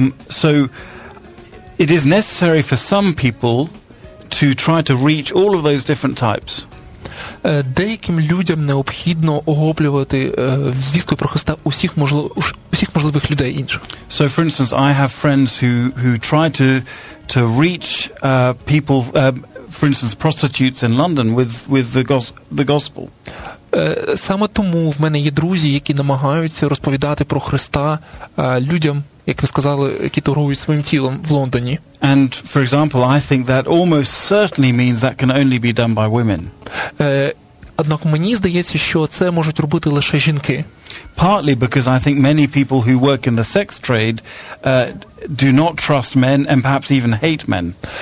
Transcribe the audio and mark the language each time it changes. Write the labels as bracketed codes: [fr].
[en] So it is necessary for some people to try to reach all of those different types. [uk] Деяким людям необхідно охоплювати звісткою про Христа усіх можливих людей інших. [en] So for instance, I have friends who try to reach people for instance prostitutes in London with the gospel. [uk] Саме тому в мене є друзі, які намагаються розповідати про Христа людям, як ви сказали, які торгують своїм тілом в Лондоні. [en] And for example, I think that almost certainly means that can only be done by women. [uk] Однак мені здається, що це можуть робити лише жінки. [en] partly because I think many people who work in the sex trade do not trust men and perhaps even hate men.